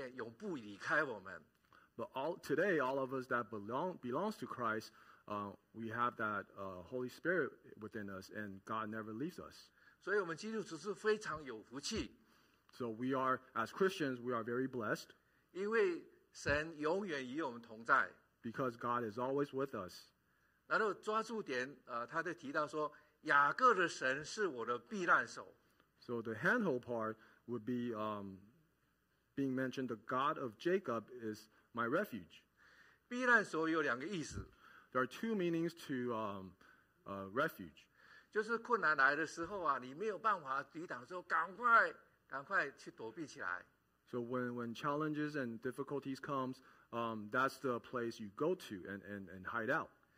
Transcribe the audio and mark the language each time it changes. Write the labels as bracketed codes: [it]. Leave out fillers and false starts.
[zh] 但是今天我们每一个信耶稣的基督徒得救的基督，圣灵都与我们同在，在我们里面，永不离开我们。 [en] But today all of us that belongs to Christ, we have that Holy Spirit within us, and God never leaves us. [zh] 所以我们基督徒是非常有福气。 [en] So we are, as Christians, we are very blessed. [zh] 因为 神永远与我们同在。 [en] Because God is always with us. [zh] 然后抓住点，他就提到说，雅各的神是我的避难所。 [en] So the handhold part would be being mentioned, the God of Jacob is my refuge. [zh] 避难所有两个意思。 [en] There are two meanings to refuge. [zh] 就是困难来的时候啊，你没有办法抵挡的时候，赶快去躲避起来。 [en] So when challenges and difficulties comes, that's the place you go to and hide out.